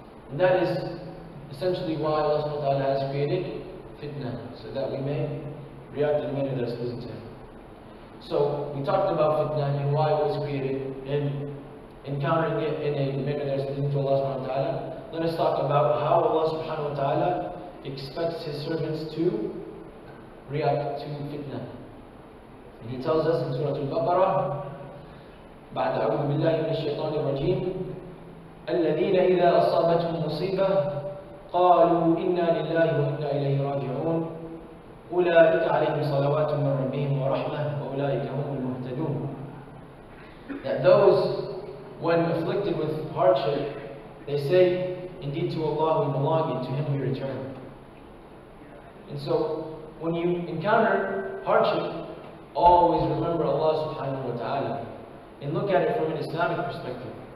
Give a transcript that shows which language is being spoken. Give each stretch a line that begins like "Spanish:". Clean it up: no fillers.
English: And that is essentially why Allah subhanahu wa ta'ala has created fitna, so that we may react in a manner that is pleasing to Him. So we talked about fitna and why it was created, and encountering it in a manner that is pleasing to Allah subhanahu wa ta'ala. Let us talk about how Allah subhanahu wa ta'ala expects His servants to react to fitna. And He tells us in Surah Al-Baqarah,
Arabic: بعد أعوذ بالله من الشيطان الرجيم الذين إذا أصابتهم مصيبة قالوا إنا لله وإنا إليه راجعون أولئك عليهم صلوات من ربهم ورحمة وأولئك هم المهتدون.
English: That those, when afflicted with hardship, they say, indeed to Allah we belong and to Him we return. And so, when you encounter hardship, always remember Allah subhanahu wa ta'ala and look at it from an Islamic perspective.